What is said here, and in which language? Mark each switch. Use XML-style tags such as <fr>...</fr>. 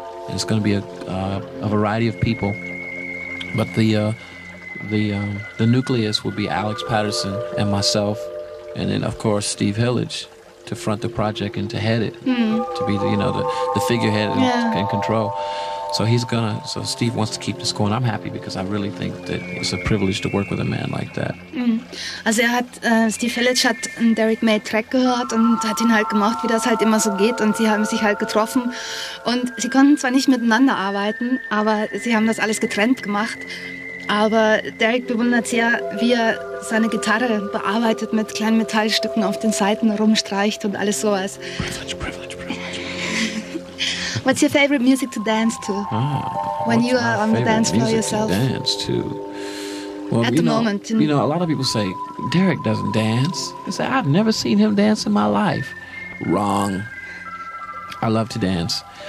<en>It's going to be a variety of people, but the nucleus will be Alex Patterson and myself, and then of course Steve Hillage to front the project and to head it, to be the figurehead and control. So Steve wants to keep this going. I'm happy because I really think that it's a privilege to work with a man like that.</en> <de>Also Steve Hillage hat einen Derek May Track gehört und hat ihn halt gemacht, wie das halt immer so geht, und sie haben sich halt getroffen und sie konnten zwar nicht miteinander arbeiten, aber sie haben das alles getrennt gemacht. Aber Derek bewundert sehr, wie er seine Gitarre bearbeitet, mit kleinen Metallstücken auf den Seiten rumstreicht und alles sowas.</de> <en>Privilege. What's your favorite music to dance to? When you are on the dance floor yourself? To dance to? Well, at the moment. You know, a lot of people say, Derek doesn't dance. I say, I've never seen him dance in my life. Wrong. I love to dance.</en>